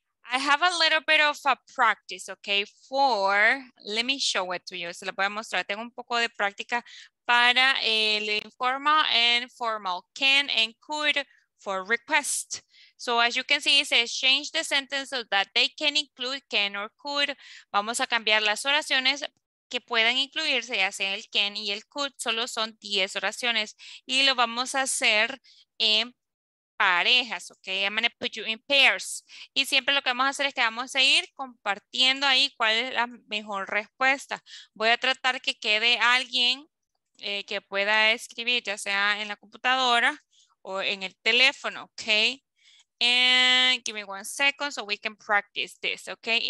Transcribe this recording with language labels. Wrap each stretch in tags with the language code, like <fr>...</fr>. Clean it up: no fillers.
<en>I have a little bit of a practice, okay, for, let me show it to you.</en> <es>Se lo voy a mostrar. Tengo un poco de práctica para el</es> <en>informal and formal. Can and could for request. So as you can see, it says change the sentence so that they can include can or could.</en> <es>Vamos a cambiar las oraciones que puedan incluirse, ya sea el can y el could. Solo son 10 oraciones y lo vamos a hacer en parejas, ok?</es> <en>I'm going to put you in pairs.</en> <es>Y siempre lo que vamos a hacer es que vamos a ir compartiendo ahí cuál es la mejor respuesta. Voy a tratar que quede alguien que pueda escribir, ya sea en la computadora o en el teléfono, ok?</es> <en>And give me one second so we can practice this, okay?</en>